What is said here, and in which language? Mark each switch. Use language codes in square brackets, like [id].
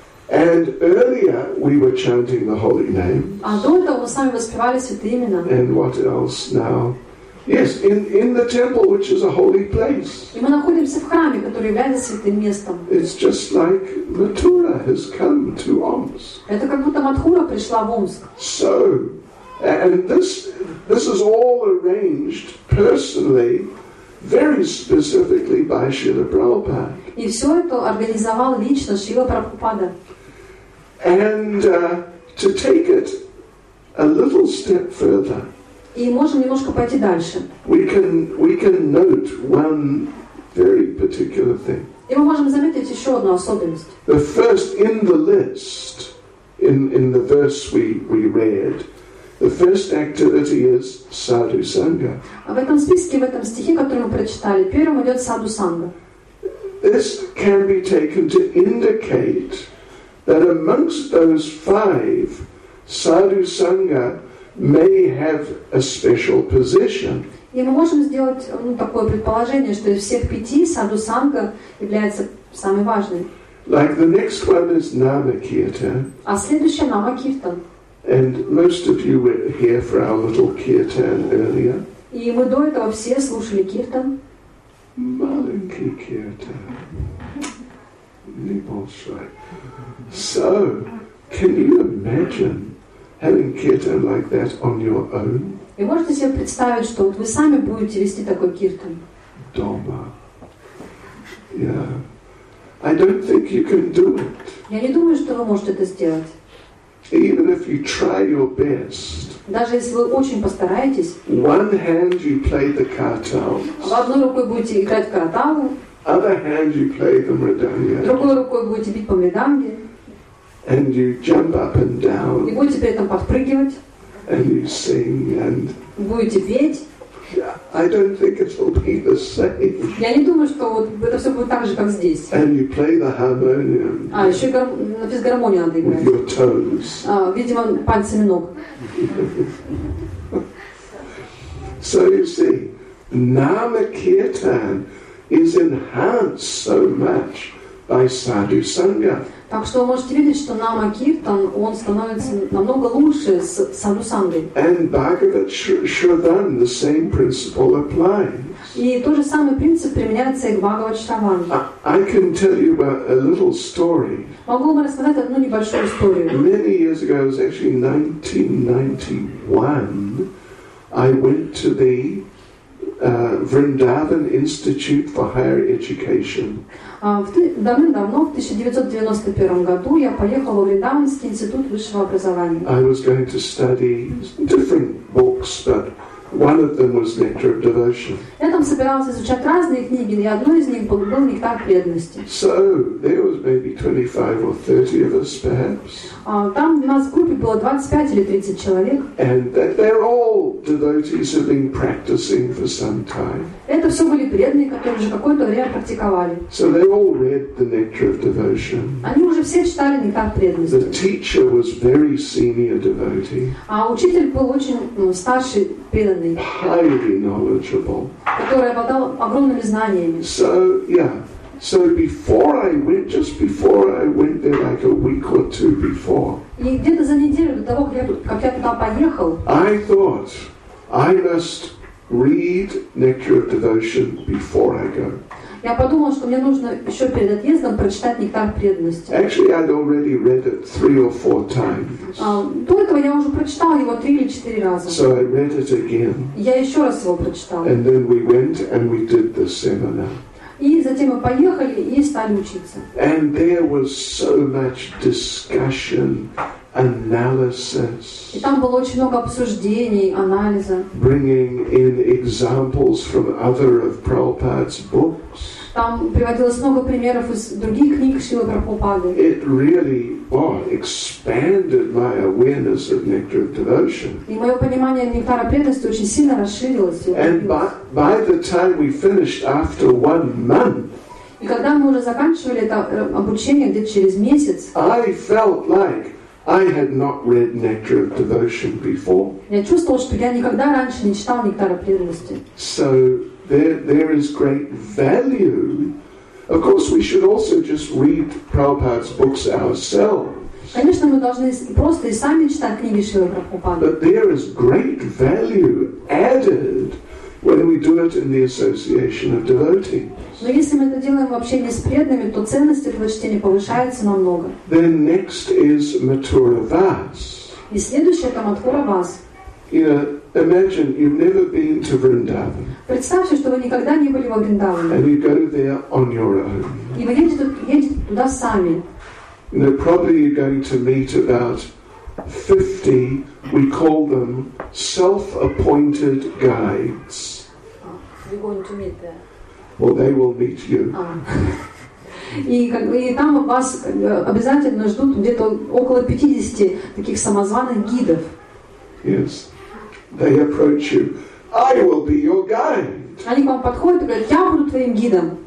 [en] And earlier we were chanting the holy name. [ru] А до этого мы с вами воспевали святые имена. [en] And what else now? Yes, in the temple, which is a holy place. [ru] И мы находимся в храме, который является святым местом. [en] It's just like Mathura has come to Omsk. [ru] Это как будто Мадхура пришла в Омск. [en] So, and this is all arranged personally, very specifically by Srila Prabhupada. [ru] И все это организовал лично Шрила Прабхупада. [en] And to take it a little step further. [ru] И можем немножко пойти дальше. [en] We can note one very particular thing. [ru] И мы можем заметить еще одну особенность. [en] The first in the list, in the verse we read, the first activity is sadhu sangha. [ru] В этом списке, в этом стихе, который мы прочитали, первым идет саду санга. [en] This can be taken to indicate that amongst those five, sadhu sangha may have a special position. [ru] И мы можем сделать такое предположение, что из всех пяти саду санга является самой важной. [en] Like the next one is Namakirtan. [ru] А следующее Намакиртан. [en] And most of you were here for our little kirtan earlier. [ru] И мы до этого все слушали киртан. Маленький киртан. Небольшой. [en] So, can you imagine having kirtan like that on your own? [ru] И можете себе представить, что вот вы сами будете вести такой киртан? Дома. [en] Yeah. I don't think you can do it. [ru] Я не думаю, что вы можете это сделать. [en] Even if you try your best. [ru] Даже если вы очень постараетесь. [en] One hand you play the kartals. [ru] В одной рукой будете играть в карталы. [en] Other hand you play the мриданги. [ru] Другой рукой будете бить по мриданги. [en] And you jump up and down. [ru] И будете при этом подпрыгивать. [en] And you sing and. [ru] Будете петь. [en] Yeah. I don't think it will be the same. [ru] Я не думаю, что вот это все будет так же, как здесь. [en] And you play the harmonium. [ru] А еще на физгармонии надо играть. [en] With your toes. [ru] А, видимо, пальцами ног. [en] So you see, Namakirtan is enhanced so much by Sadhu Sangha. [ru] Так что вы можете видеть, что Намакиртан, он становится намного лучше с Саду Сангой. [en] And Bhagavat Shravan, the same principle applies. [ru] И тот же самый принцип применяется и к Бхагават Шраван. [en] I can tell you about a little story. [ru] Могу вам рассказать одну небольшую историю. [en] Many years ago, it was actually 1991, I went to the Vrindavan Institute for Higher Education. [ru] Давным-давно, в 1991 году, я поехала в Вриндаванский институт высшего образования. [en] I was going to study different books, but one of them was Nectar of Devotion. [ru] Я там собиралась изучать разные книги, и одной из них был Нектар преданности. [en] So, there was maybe 25 or 30 of us, perhaps. [ru] Там у нас в группе было 25 или 30 человек. [en] And they're all devotees who've been practicing for some time. [ru] Это все были преданные, которые уже какое-то время практиковали. [en] So they all read the Nectar of Devotion. [ru] Они уже все читали Нектар преданности. [en] The teacher was very senior devotee. [ru] А учитель был очень старший преданный. [en] Highly knowledgeable. [ru] Который обладал огромными знаниями. [en] So, yeah. So before I went, just before I went there, like a week or two before. [ru] И где-то за неделю до того, как я туда поехал. [en] I thought I must read Nectar of Devotion before I go. [ru] Я подумал, что мне нужно еще перед отъездом прочитать Нектар преданности. [en] Actually, I'd already read it three or four times. [ru] До этого я уже прочитал его три или четыре раза. [en] So I read it again. [ru] Я еще раз его прочитал. [en] And then we went and we did the seminar. [ru] И затем мы поехали и стали учиться. [en] And there was so much discussion, analysis. [ru] И там было очень много обсуждений, анализа. [en] Bringing in examples from other of Prabhupada's books. [ru] Там приводилось много примеров из других книг Шрилы Прабхупады. [en] It really expanded my awareness of Nectar of Devotion. [ru] И мое понимание Нектара преданности очень сильно расширилось. [en] And by the time we finished after 1 month, [ru] и когда мы уже заканчивали это обучение где-то через месяц, [en] I felt like I had not read Nectar of Devotion before. [ru] Я чувствовал, что я никогда раньше не читал Нектара преданности. [en] So there is great value. Of course, we should also just read Prabhupada's books ourselves. [ru] Конечно, мы должны просто и сами читать книги Шрилы Прабхупады. [en] But there is great value added when we do it in the association of devotees. [ru] Но если мы это делаем в общении с преданными, то ценность этого чтения повышается намного. [en] Then next is Mathura Vas. [ru] И следующее это Mathura Vas. [en] You know, imagine you've never been to Vrindavan. [ru] Представьте, что вы никогда не были во Вриндаване. [en] And you go there on your own. [ru] И вы едете туда сами. [en] You know, probably you're going to meet about 50, we call them self-appointed guides. You're going to meet them. Well, they will meet you. [ru] И там вас обязательно ждут где-то около 50 таких самозваных гидов. [en] Yes. They approach you. I will be your guide. [ru] Они к вам подходят и говорят, я буду твоим гидом.